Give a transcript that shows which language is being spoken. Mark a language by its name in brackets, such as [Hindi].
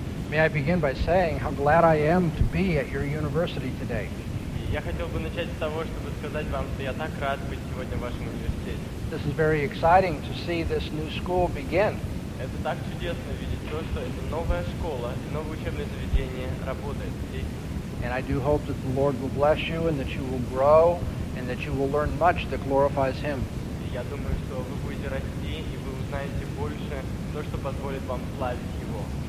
[English] May I begin by saying how glad I am to be at your university today. [Russian] Я хотел бы начать с того, чтобы сказать вам, что я так рад быть сегодня в вашем университете. [English] This is very exciting to see this new school begin. [Russian] Это так чудесно видеть то, что эта новая школа и новое учебное заведение работает здесь. [English] And I do hope that the Lord will bless you and that you will grow and that you will learn much that glorifies Him. [Russian] Я думаю, что вы будете расти и вы узнаете больше то, что позволит вам славить Его.